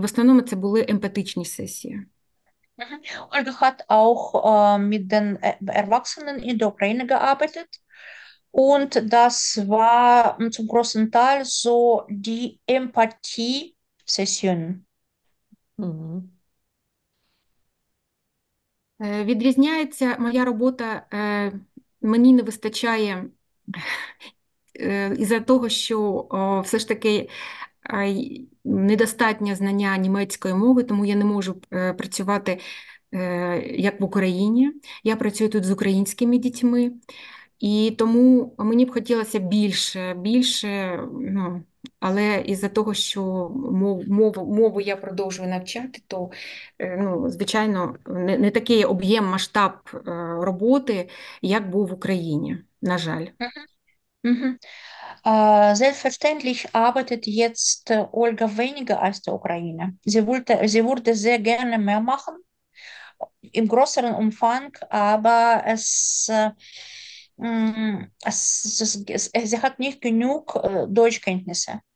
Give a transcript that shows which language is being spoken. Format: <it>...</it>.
<uk>В основному це були емпатичні сесії.</uk> <de>Olga hat auch mit den Erwachsenen in der Ukraine gearbeitet und das war zum großen Teil so die Empathie-Session.</de> <uk>Відрізняється моя робота, мені не вистачає із-за того, що все ж таки недостатнє знання німецької мови, тому я не можу працювати як в Україні. Я працюю тут з українськими дітьми, і тому мені б хотілося більше, ну, але із-за того, що мову я продовжую навчати, то, ну, звичайно, не такий об'єм, масштаб роботи, як був в Україні, на жаль.</uk> <de>Selbstverständlich arbeitet jetzt Olga weniger als die Ukraine. Sie würde sehr gerne mehr machen, im größeren Umfang, aber sie hat nicht genug Deutschkenntnisse.</de>